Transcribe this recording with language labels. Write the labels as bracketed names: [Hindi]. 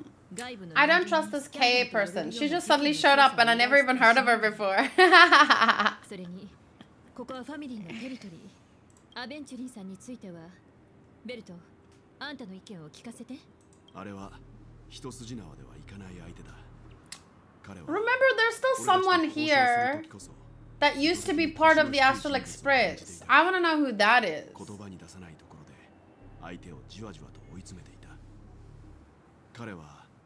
[English] I don't trust this K person. She just suddenly showed up and I never even heard of her before. [Japanese] それに、ここはファミリーのテリトリー。アベンチュリンさんについては、ベルト、あんたの意見を聞かせて。あれは一筋縄ではいかない相手だ。彼は。 [English] Remember, there's still someone here that used to be part of the Astral Express. I want to know who that is. [Japanese] 言葉に出さないところで、相手をじわじわと追い詰めていた。彼は。